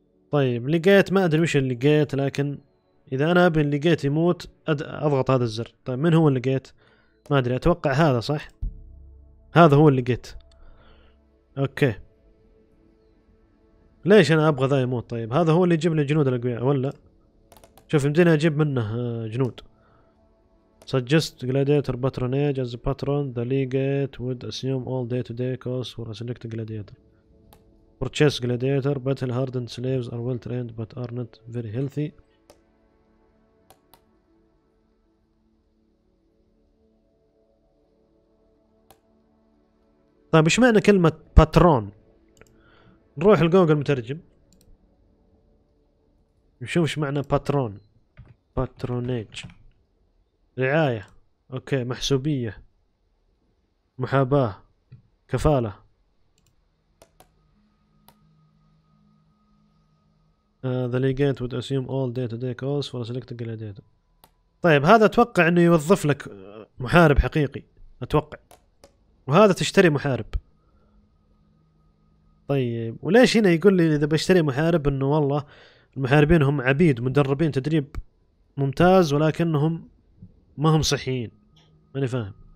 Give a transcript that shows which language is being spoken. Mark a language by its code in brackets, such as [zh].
[ar] طيب لقيت، ما ادري وش لقيت، لكن اذا انا ابي لقيت يموت اضغط هذا الزر. طيب من هو لقيت؟ ما ادري، اتوقع هذا صح، هذا هو لقيت. اوكي ليش انا ابغى ذا يموت؟ طيب هذا هو اللي يجيب لي جنود الاقوياء ولا؟ شوف يمديني اجيب منه جنود. [en] suggest gladiator patronage as a patron the legate would assume all day to day costs for a select gladiator. purchase gladiator battle hardened slaves are well trained but are not very healthy. [ar] طيب ايش معنى كلمة patron؟ نروح لجوجل مترجم نشوف ايش معنى باترون. باترونيج رعاية، اوكي محسوبية، محاباة، كفالة، [en] the legate would assume all day to day calls for a selected gladiator. [ar] طيب هذا اتوقع انه يوظف لك محارب حقيقي اتوقع، وهذا تشتري محارب. طيب وليش هنا يقول لي اذا بشتري محارب انه والله المحاربين هم عبيد مدربين تدريب ممتاز ولكنهم ما هم صحيين؟ ماني فاهم.